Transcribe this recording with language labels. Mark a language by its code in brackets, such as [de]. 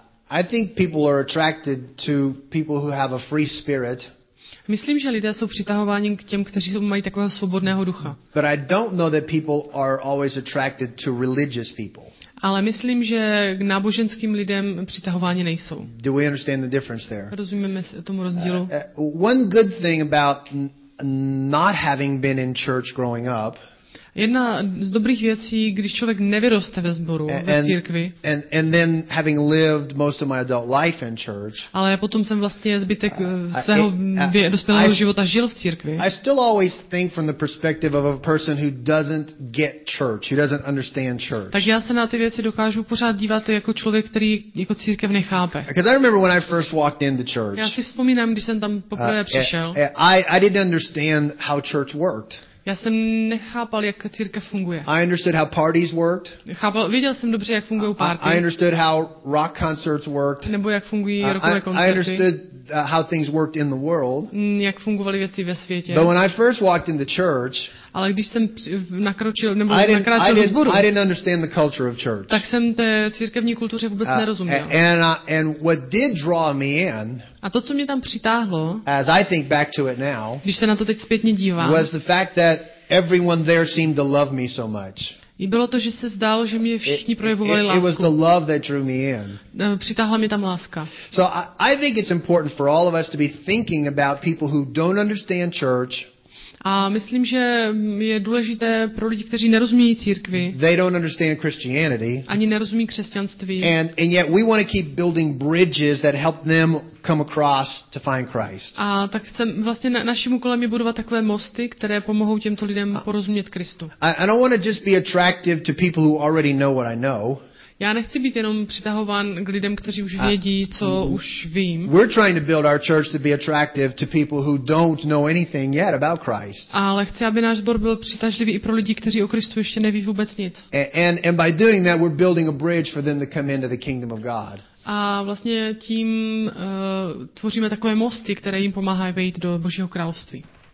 [en] I think people are attracted to people who have a free spirit. [cs] Myslím, že lidé jsou přitahováni k těm, kteří mají takového svobodného ducha. [en] But I don't know that people are always attracted to religious people. [cs] Ale myslím, že k náboženským lidem přitahováni nejsou. [en] Do we understand the difference there? [cs] Rozumíme tomu rozdílu? [en] One good thing about not having been in church growing up. [cs] Jedna z dobrých věcí, když člověk nevyroste ve sboru, ve církvi. [en] And then having lived most of my adult life in church. [cs] Ale potom jsem vlastně zbytek svého dospělého života žil v církvi. [en] I still always think from the perspective of a person who doesn't get church, who doesn't understand church. [cs] Takže já se na ty věci dokážu pořád dívat jako člověk, který jako církev nechápe. [en] Because I remember when I first walked into church. [cs] Já si vzpomínám, když jsem tam poprvé přišel. [en] I didn't understand how church worked. [cs] Já jsem nechápal, jak církev funguje. [en] I understood how parties worked. [cs] Věděl jsem dobře, jak fungují party. [en] I understood how rock concerts worked. [cs] Nebo jak fungují rockové koncerty. [en] I understood how things worked in the world. [cs] Jak fungovaly věci ve světě. [en] But when I first walked into church, [cs] ale když jsem nakráčel do sboru, [en] I didn't understand the culture of church. [cs] Tak jsem té církevní kultuře vůbec nerozuměl. [en] And what did draw me in, [cs] a to, co mě tam přitáhlo, [en] as I think back to it now, [cs] když se na to teď zpětně dívám, [en] was the fact that everyone there seemed to love me so much. [cs] I bylo to, že se zdálo, že mě všichni projevovali lásku. [en] It was the love that drew me in. [cs] Přitáhla mě tam láska. [en] So I think it's important for all of us to be thinking about people who don't understand church. [cs] A myslím, že je důležité pro lidi, kteří nerozumí církvi. [en] They don't understand Christianity. [cs] Ani nerozumí křesťanství. [en] And yet we want to keep building bridges that help them come across to find Christ. [cs] A tak chcem, vlastně naším úkolem je budovat takové mosty, které pomohou těmto lidem porozumět Kristu. [en] I don't want to just be attractive to people who already know what I know. [cs] Já nechci být jenom přitahován k lidem, kteří už vědí, co už vím. [en] We're trying to build our church to be attractive to people who don't know anything yet about Christ. [cs] Ale chci, aby náš sbor byl přitažlivý i pro lidi, kteří o Kristu ještě neví vůbec nic. [en] And by doing that, we're building a bridge for them to come into the kingdom of God. [cs] A vlastně tím tvoříme takové mosty, které jim pomáhají vejít do Božího království.